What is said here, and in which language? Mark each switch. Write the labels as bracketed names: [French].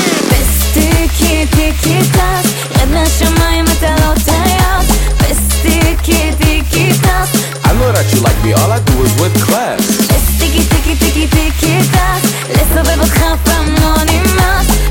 [Hebrew] פסטיקי טיקי טס, רד מהשמיים אתה לא טייס. פסטיקי טיקי טס, [English] I know that you like me, all I do is with class. [Hebrew] פסטיקי טיקי טיקי טיקי טס, לסובב אותך פעם לא נמאס.